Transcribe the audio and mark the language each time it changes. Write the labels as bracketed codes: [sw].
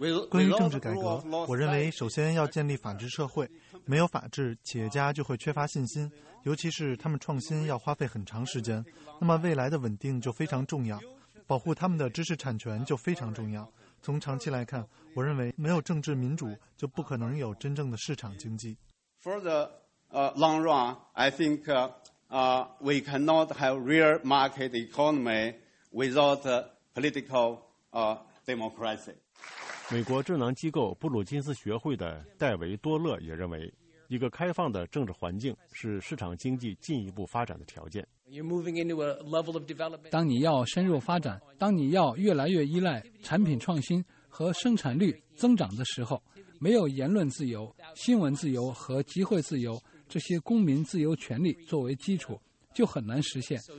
[zh] 关于政治改革，我认为首先要建立法治社会，没有法治，企业家就会缺乏信心，尤其是他们创新要花费很长时间，那么未来的稳定就非常重要，保护他们的知识产权就非常重要。从长期来看，我认为没有政治民主就不可能有真正的市场经济。 [en] For the long run, I think we cannot have real market economy without political democracy. [zh] 美国智囊机构布鲁金斯学会的戴维多勒也认为，一个开放的政治环境是市场经济进一步发展的条件。当你要深入发展，当你要越来越依赖产品创新和生产率增长的时候，没有言论自由、新闻自由和集会自由这些公民自由权利作为基础，就很难实现。